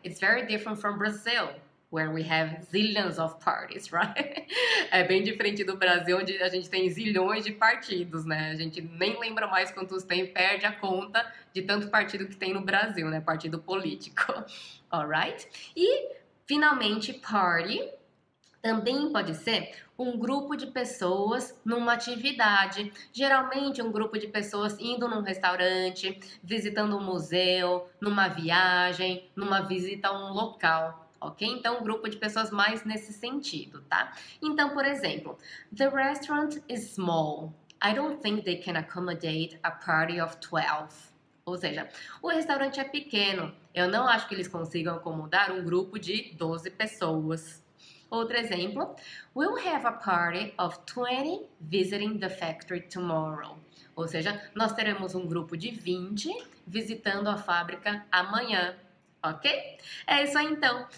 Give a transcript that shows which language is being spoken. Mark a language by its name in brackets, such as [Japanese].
[English] It's very different from Brazil, where we have zillions of parties, right? [Portuguese] É bem diferente do Brasil, onde a gente tem zilhões de partidos, né? A gente nem lembra mais quantos tem, perde a conta de tanto partido que tem no Brasil, né? Partido político. [English] All right? [Portuguese] E, finalmente, party também pode ser um grupo de pessoas numa atividade. Geralmente, um grupo de pessoas indo num restaurante, visitando um museu, numa viagem, numa visita a um local. Ok? Então, grupo de pessoas mais nesse sentido, tá? Então, por exemplo, [English] the restaurant is small. I don't think they can accommodate a party of 12. [Portuguese] Ou seja, o restaurante é pequeno. Eu não acho que eles consigam acomodar um grupo de 12 pessoas. Outro exemplo, [English] we'll have a party of 20 visiting the factory tomorrow. [Portuguese] Ou seja, nós teremos um grupo de 20 visitando a fábrica amanhã. Ok? É isso aí então.